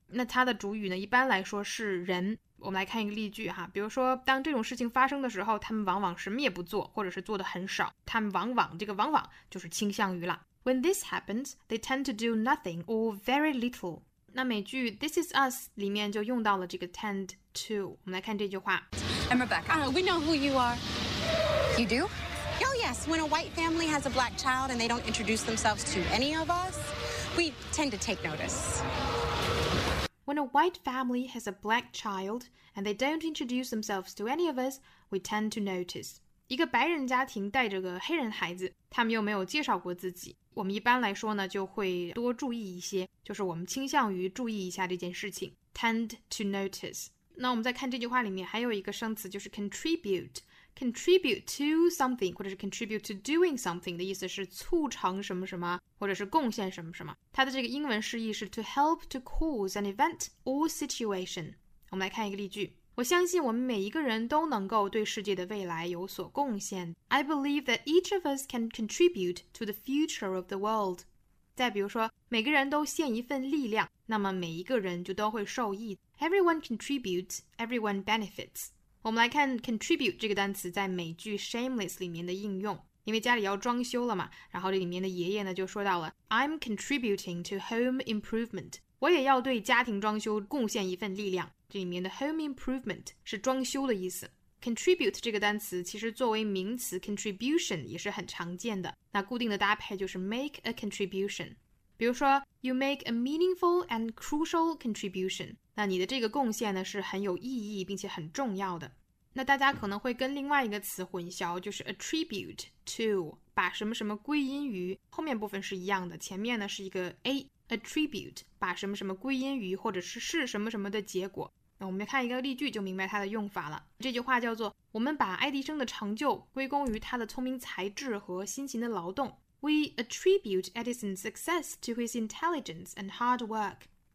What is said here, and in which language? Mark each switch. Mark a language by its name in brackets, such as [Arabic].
[Chinese] 那它的主语呢，一般来说是人。我们来看一个例句哈，比如说当这种事情发生的时候，他们往往什么也不做，或者是做的很少。他们往往这个往往就是倾向于了。 [English] When this happens, they tend to do nothing or very little。 [Chinese] 那美剧 This Is Us 里面就用到了这个 tend to。我们来看这句话。 [English] I'm Rebecca. We know who you are. You do? Oh, yes. When a white family has a black child and they don't introduce themselves to any of us, we tend to take notice. When a white family has a black child and they don't introduce themselves to any of us, we tend to notice. [Chinese] 一个白人家庭带着个黑人孩子，他们又没有介绍过自己，我们一般来说呢，就会多注意一些，就是我们倾向于注意一下这件事情。 Tend to notice. 那我们再看这句话里面还有一个生词就是 contribute， contribute to something 或者是 contribute to doing something 的意思是促成什么什么或者是贡献什么什么，它的这个英文释义是 to help to cause an event or situation。我们来看一个例句，我相信我们每一个人都能够对世界的未来有所贡献。 [English] I believe that each of us can contribute to the future of the world。 [Chinese] 再比如说每个人都献一份力量，那么每一个人就都会受益。 Everyone contributes, everyone benefits. 我们来看 contribute 这个单词在美剧 Shameless 里面的应用。因为家里要装修了嘛，然后这里面的爷爷呢就说到了 I'm contributing to home improvement. 我也要对家庭装修贡献一份力量。这里面的 home improvement 是装修的意思。 contribute 这个单词其实作为名词 contribution 也是很常见的，那固定的搭配就是 make a contribution。比如说 , you make a meaningful and crucial contribution, 那你的这个贡献呢是很有意义并且很重要的。那大家可能会跟另外一个词混淆，就是 attribute to, 把什么什么归因于，后面部分是一样的，前面呢是一个 a, attribute, 把什么什么归因于或者是什么什么的结果。那我们看一个例句就明白它的用法了。这句话叫做，我们把爱迪生的成就归功于他的聪明才智和辛勤的劳动。 [English] We attribute Edison's success to his intelligence and hard work.